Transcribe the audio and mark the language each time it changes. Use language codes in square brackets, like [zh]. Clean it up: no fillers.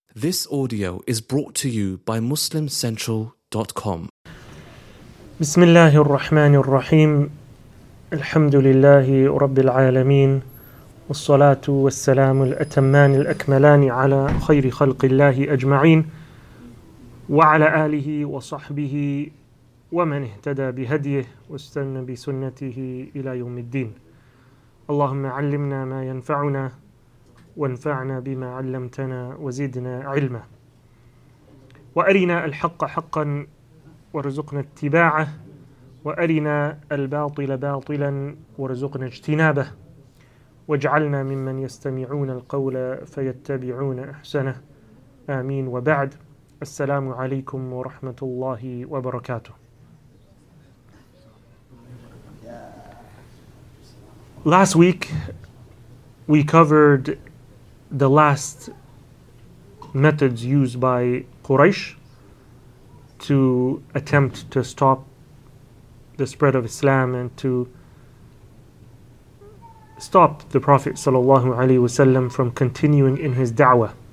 [en] This audio is brought to you by MuslimCentral.com. [ar] بسم الله الرحمن الرحيم الحمد لله رب العالمين والصلاة والسلام الأتمان الأكملان على خير خلق الله أجمعين وعلى آله وصحبه ومن اهتدى بهديه واستنى بسنته إلى يوم الدين. اللهم علمنا ما ينفعنا وانفعنا بما علمتنا وزدنا علما وأرنا الحق حقا وارزقنا اتباعه وأرنا الباطل باطلا وارزقنا اجتنابه واجعلنا ممن يستمعون القول فيتبعون أحسنه آمين وبعد السلام عليكم ورحمة الله وبركاته. [en] Last week we covered the last methods used by Quraysh to attempt to stop the spread of Islam and to stop the Prophet sallallahu alaihi wasallam from continuing in his da'wah.